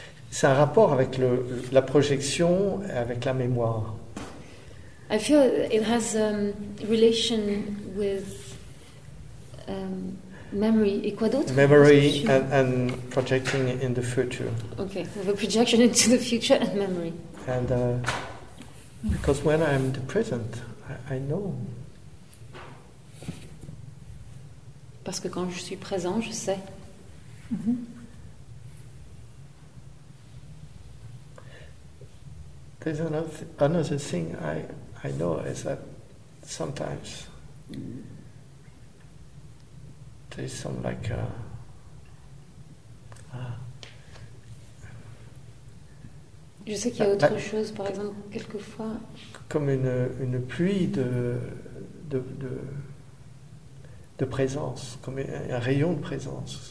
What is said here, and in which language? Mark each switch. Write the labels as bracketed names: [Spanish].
[French] C'est un rapport avec la projection et avec la mémoire. [English] I feel it has a relation with memory. [French] Et quoi d'autre? [English] Memory and projecting in the future. Okay, with a projection into the future and memory. And because when I'm the present, I know. [French] Parce que quand je suis présent, je sais. Mm-hmm. [English] There's another thing I know is that sometimes there's some like [French] je sais qu'il y a autre chose, par exemple, quelquefois comme une pluie de présence, comme un rayon de présence.